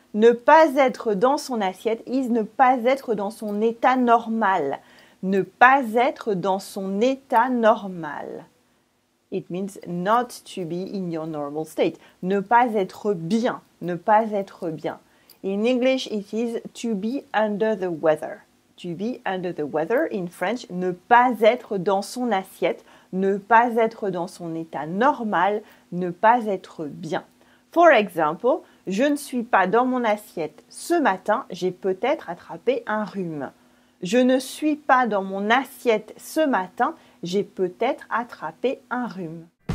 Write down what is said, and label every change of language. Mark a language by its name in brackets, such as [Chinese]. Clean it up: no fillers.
[French] Ne pas être dans son assiette is ne pas être dans son état normal. Ne pas être dans son état normal. [English] It means not to be in your normal state. [French] Ne pas être bien. Ne pas être bien. [English] In English, it is to be under the weather. To be under the weather. In French, [French] ne pas être dans son assiette. Ne pas être dans son état normal. Ne pas être bien. [English] For example, [French] je ne suis pas dans mon assiette. Ce matin, j'ai peut-être attrapé un rhume. Je ne suis pas dans mon assiette ce matin, j'ai peut-être attrapé un rhume.